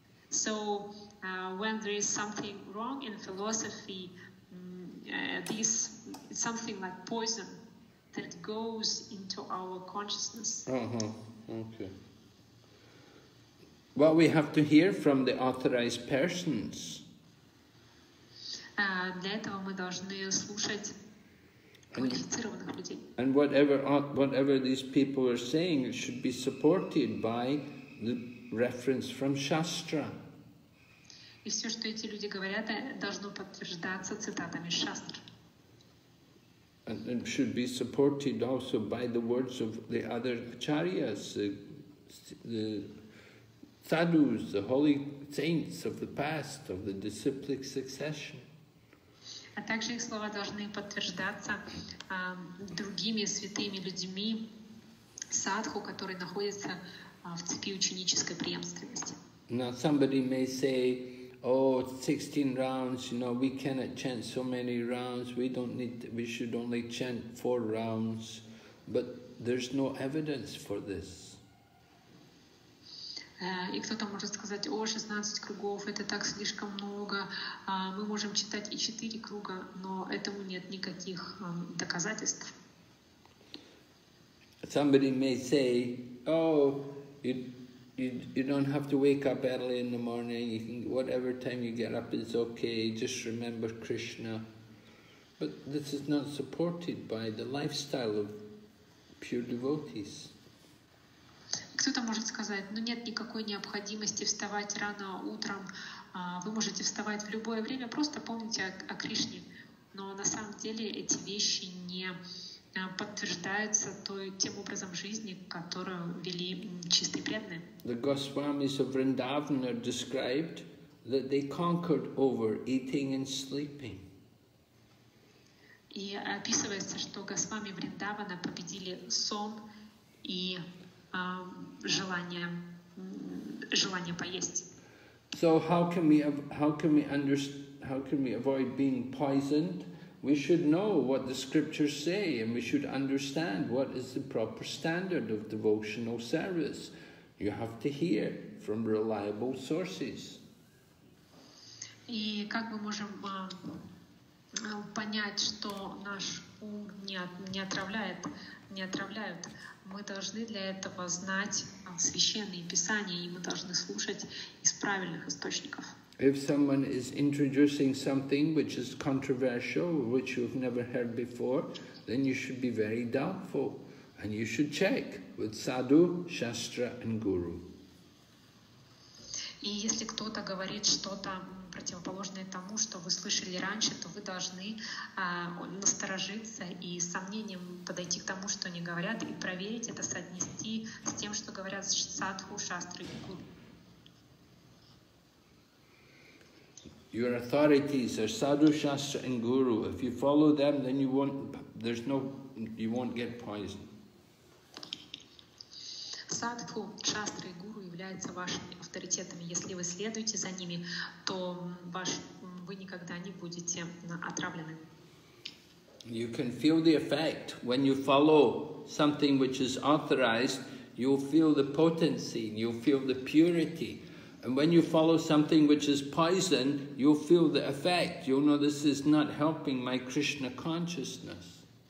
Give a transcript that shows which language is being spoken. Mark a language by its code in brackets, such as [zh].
[en] So when there is something wrong in philosophy, this something like poison that goes into our consciousness. Uh-huh. Okay. Well, we have to hear from the authorized persons. [ru] Для этого мы должны слушать квалифицированных людей. [en] And whatever these people are saying should be supported by the reference from Shastra. [ru] И все, что эти люди говорят, должно подтверждаться цитатами Шастры. [en] And it should be supported also by the words of the other acharyas, the sadhus, the holy saints of the past, of the disciplic succession. [ru] А также их слова должны подтверждаться другими святыми людьми, садху, которые находятся в цепи ученической преемственности. [en] Now somebody may say, oh, 16 rounds, you know, we cannot chant so many rounds, we should only chant 4 rounds, but there's no evidence for this. [ru] И кто-то может сказать, о, 16 кругов, это так слишком много, мы можем читать и 4 круга, но этому нет никаких доказательств. [en] Somebody may say, oh, you don't have to wake up early in the morning, you can, whatever time you get up is okay, just remember Krishna. But this is not supported by the lifestyle of pure devotees. [ru] Кто-то может сказать, ну нет никакой необходимости вставать рано утром, вы можете вставать в любое время, просто помните о Кришне. Но на самом деле эти вещи не подтверждаются тем образом жизни, которую вели чистые преданные. [en] The Goswamis of Vrindavan are described that they conquered over eating and sleeping. [ru] И описывается, что Госвами Вриндавана победили сон и желание поесть. [en] So how can we avoid being poisoned? We should know what the scriptures say, and we should understand what is the proper standard of devotional service. You have to hear from reliable sources. [ru] И как мы можем понять, что наш ум не отравляют. Мы должны для этого знать священные писания, и мы должны слушать из правильных источников. [en] If someone is introducing something which is controversial, which you've never heard before, then you should be very doubtful, and you should check with sadhu, shastra, and guru. [ru] И если кто-то говорит что-то противоположное тому, что вы слышали раньше, то вы должны насторожиться и с сомнением подойти к тому, что они говорят, и проверить это, соотнести с тем, что говорят садху, шастры и гуру. [en] Your authorities are sadhu, shastra, and guru. If you follow them, then you won't get poisoned. [ru] Садху, шастры и гуру являются вашими авторитетами. Если вы следуете за ними, то вы никогда не будете отравлены. [en] You can feel the effect when you follow something which is authorized. You'll feel the potency, you'll feel the purity. And when you follow something which is poison, you'll feel the effect. You'll know this is not helping my Krishna consciousness.